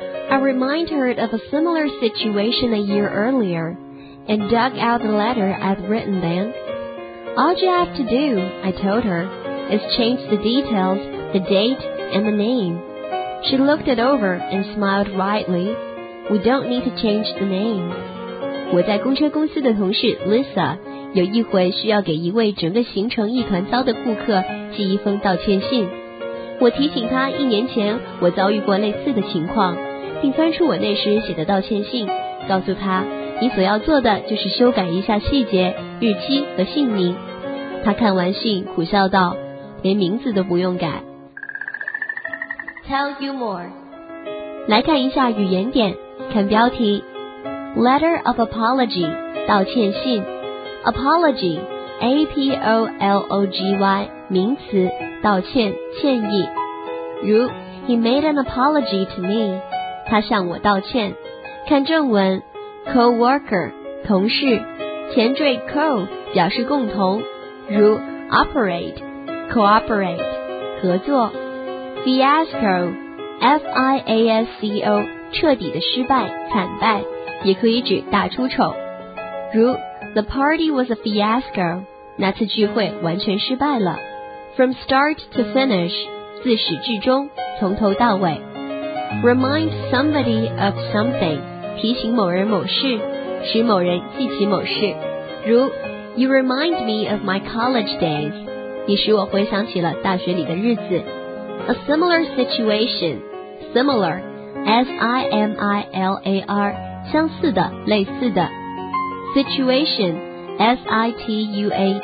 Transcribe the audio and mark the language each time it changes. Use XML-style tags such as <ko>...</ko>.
<en>I remind her of a similar situation a year earlier, and dug out the letter I'd written then. All you have to do, I told her, is change the details, the date, and the name. She looked it over and smiled wryly. We don't need to change the name.</en> <zh>我在公车公司的同事 Lisa 有一回需要给一位整个行程一团糟的顾客寄一封道歉信。我提醒她一年前我遭遇过类似的情况。并翻出我那时写的道歉信，告诉他，你所要做的就是修改一下细节、日期和姓名。他看完信，苦笑道，连名字都不用改。</zh> <en>Tell you more.</en> <zh>来看一下语言点，看标题。</zh> <en>Letter of Apology,</en> <zh>道歉信。 Apology, A-P-O-L-O-G-Y, 名词，道歉、歉意。</zh> <en>如 He made an apology to me.</en> <zh>他向我道歉。看正文 ，co-worker 同事，前缀 co 表示共同，如 operate、cooperate 合作。 fiasco F-I-A-S-C-O 彻底的失败、惨败，也可以指大出丑，如</zh> <en>the party was a fiasco，</en> <zh>那次聚会完全失败了。</zh> <en>from start to finish</en> <zh>自始至终，从头到尾。</zh> <en>Remind somebody of something</en> <zh>提醒某人某事使某人记起某事如</zh> <en>You remind me of my college days</en> <zh>你使我回想起了大学里的日子</zh> <en>A similar situation</en> <zh>Similar S-I-M-I-L-A-R 相似的类似的 Situation S-I-T-U-A-T-I-O-N</zh>